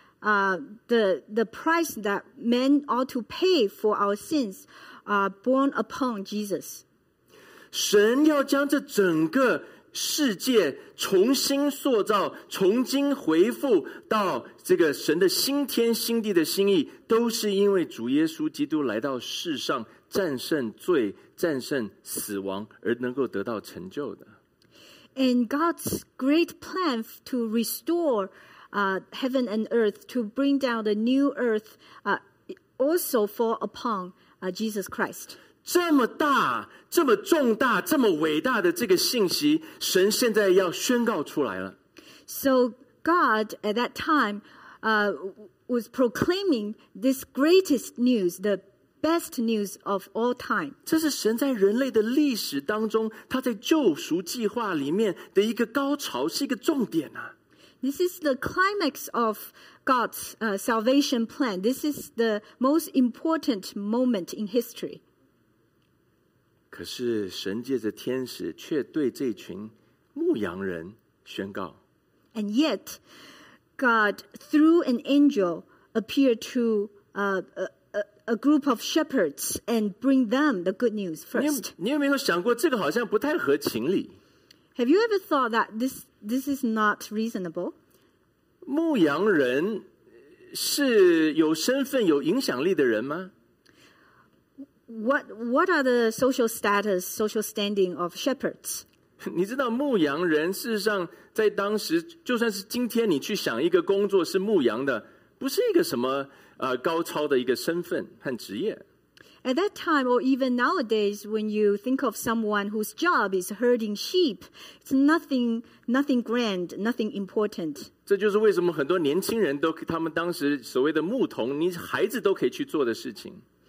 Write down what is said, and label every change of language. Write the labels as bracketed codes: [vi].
[en] the price that men ought to pay for our sins are born upon Jesus. [zh] 神要将这整个世界重新塑造，重新回复到这个神的新天新地的心意，都是因为主耶稣基督来到世上，战胜罪，战胜死亡，而能够得到成就的。 [en] And God's great plan to restore heaven and earth, to bring down the new earth, also fall upon Jesus Christ. [zh] 这么大，这么重大，这么伟大的这个信息，神现在要宣告出来了。 [en] So God at that time was proclaiming this greatest news, the best news of all time. [zh] 这是神在人类的历史当中，他在救赎计划里面的一个高潮，是一个重点啊。 [en] This is the climax of God's salvation plan. This is the most important moment in history. [zh] 可是神借着天使却对这群牧羊人宣告。 [en] And yet, God, through an angel, appeared to a group of shepherds and bring them the good news first. [zh] 你有没有想过这个好像不太合情理？ [en] Have you ever thought that this is not reasonable? [zh] 牧羊人是有身份、有影响力的人吗？ [en] What are the social standing of shepherds? [zh] 你知道牧羊人事实上在当时，就算是今天你去想一个工作是牧羊的，不是一个什么高超的一个身份和职业。 [en] At that time, or even nowadays, when you think of someone whose job is herding sheep, it's nothing grand, nothing important. [zh] 这就是为什么很多年轻人都，他们当时所谓的牧童，你孩子都可以去做的事情。